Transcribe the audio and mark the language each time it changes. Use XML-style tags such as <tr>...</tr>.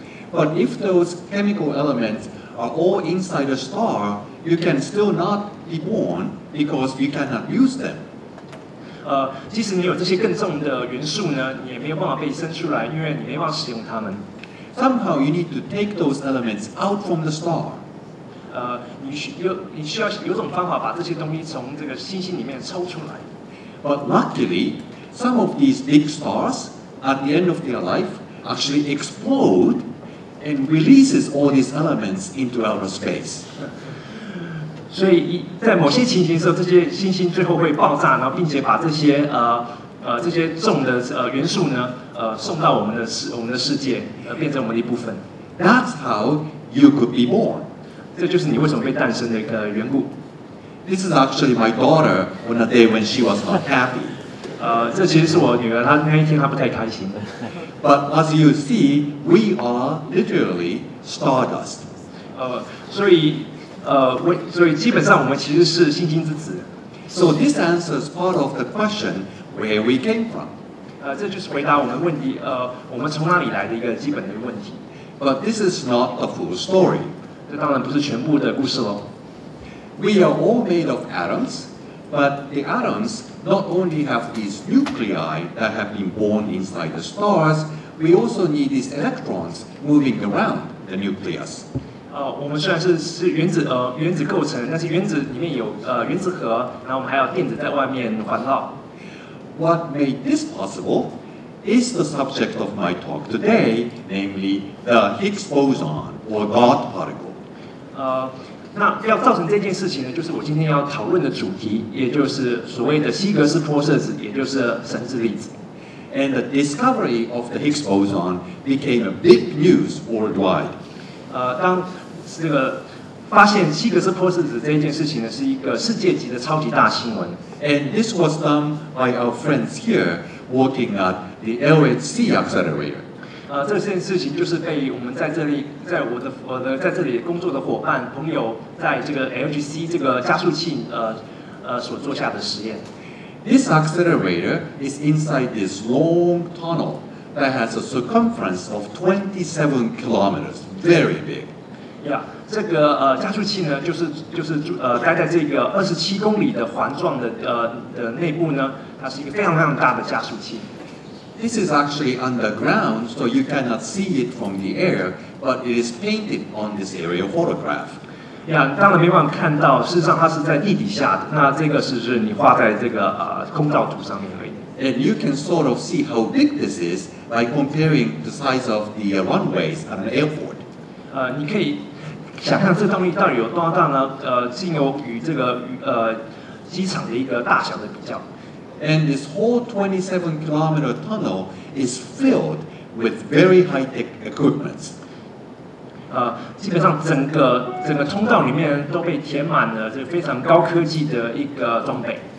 <en>But if those chemical elements are all inside a star, you can still not be born because you cannot use them.</en> <zh>即使你有这些更重的元素呢，你也没有办法被生出来，因为你没办法使用它们。</zh> <en>Somehow you need to take those elements out from the star.</en> <zh>你需要有种方法把这些东西从这个星星里面抽出来。</zh> <en>But luckily, some of these big stars at the end of their life actually explode and releases all these elements into outer space.</en> <zh>所以在某些情形的时候，这些星星最后会爆炸，然后并且把这些这些重的元素呢送到我们的世界，变成我们的一部分。</zh> <en>That's how you could be born.</en> <zh>这就是你为什么被诞生的一个缘故。</zh> <en>This is actually my daughter on a day when she was not happy.</en> <zh>这其实是我女儿，她那一天她不太开心。</zh> <en>But as you see, we are literally stardust.</en> <zh>所以基本上我们其实是星星之子。</zh> <en>So this answers part of the question where we came from.</en> <zh>这就是回答我们问题，我们从哪里来的一个基本的问题。</zh> <en>But this is not a full story.</en> <zh>这当然不是全部的故事喽。</zh> <en>We are all made of atoms, but the atoms not only have these nuclei that have been born inside the stars, we also need these electrons moving around the nucleus.</en> <zh>我们虽然是原子构成，但是原子里面有原子核，然后我们还有电子在外面环绕。</zh> <en>What made this possible is the subject of my talk today, namely the Higgs boson or God particle.</en> <zh>那要造成这件事情呢，就是我今天要讨论的主题，也就是所谓的希格斯玻色子，也就是神质粒子。</zh> <en>And the discovery of the Higgs boson became a big news worldwide.</en> <zh>当这个发现希格斯玻色子这件事情呢，是一个世界级的超级大新闻。</zh> <en>And this was done by our friends here working at the LHC accelerator.</en> <zh>这件事情就是被我们在这里，在我的在这里工作的伙伴朋友，在这个 LGC 这个加速器所做下的实验。</zh> <en>This accelerator is inside this long tunnel that has a circumference of 27 kilometers. Very big. Yeah.</en> <zh>这个加速器呢，就是待在这个27公里的环状的内部呢，它是一个非常非常大的加速器。</zh> <en>This is actually underground, so you cannot see it from the air, but it is painted on this aerial photograph.</en> <zh>Yeah, 当然没办法看到，事实上它是在地底下的。那这个是你画在这个空照图上面而已。</zh> <en>And you can sort of see how big this is by comparing the size of the runways at an airport.</en> <zh>你可以想象这东西到底有多大呢？经由与这个机场的一个大小的比较。</zh> <en>And this whole 27-kilometer tunnel is filled with very high-tech equipment.</en> <zh>基本上整个通道里面都被填满了这非常高科技的一个装备。</zh>